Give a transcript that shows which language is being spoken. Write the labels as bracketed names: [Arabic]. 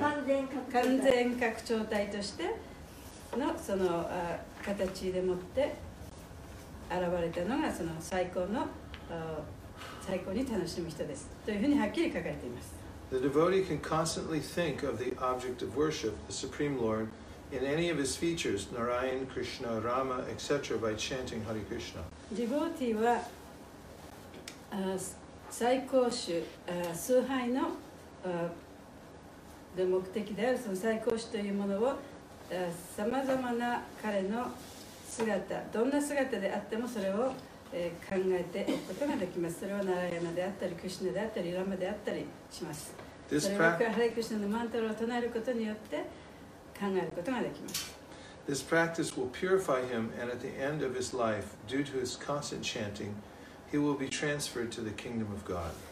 [Japanese] 完全拡張体としてのその形でもって現れたのがその最高の最高に楽しむ人ですというふうにはっきり書かれています。 [English] The devotee can constantly think of the object of worship, the Supreme Lord, in any of his features, Narayan, Krishna, Rama, etc., by chanting Hare Krishna. [Japanese] Devotee は最高種、崇拝の目的である、その最高種というものを様々な彼の姿、どんな姿であってもそれを、考えておくことができます。それはナラヤナであったり、クリシナであったり、ラマであったりします。それはハレクリシナのマントラを唱えることによって考えることができます。 [English] This practice will purify him, and at the end of his life, due to his constant chanting, he will be transferred to the kingdom of God.